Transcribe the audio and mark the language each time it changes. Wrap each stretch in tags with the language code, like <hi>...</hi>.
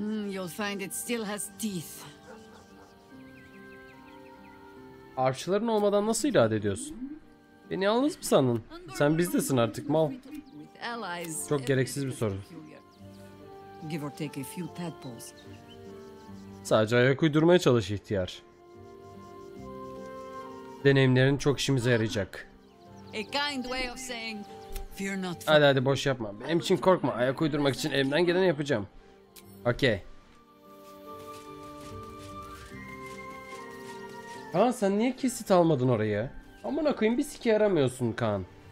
<en>You'll find it still has teeth.</en> <tr>Arşıların olmadan nasıl irade ediyorsun? Beni yalnız mı sandın? Sen bizdesin artık mal. Çok gereksiz bir soru.</tr> <en>Give or take a few tadpoles.</en> <tr>Sadece ayak uydurmaya çalış ihtiyar. Deneyimlerin çok işimize yarayacak.</tr> <en>A kind way of saying, fear not.</en> <tr>Hadi boş yapma. Benim için korkma. Ayak uydurmak için elimden geleni yapacağım. Okey. Kaan sen niye kesit almadın oraya? Aman akıyım bir siki yaramıyorsun Kaan.</tr>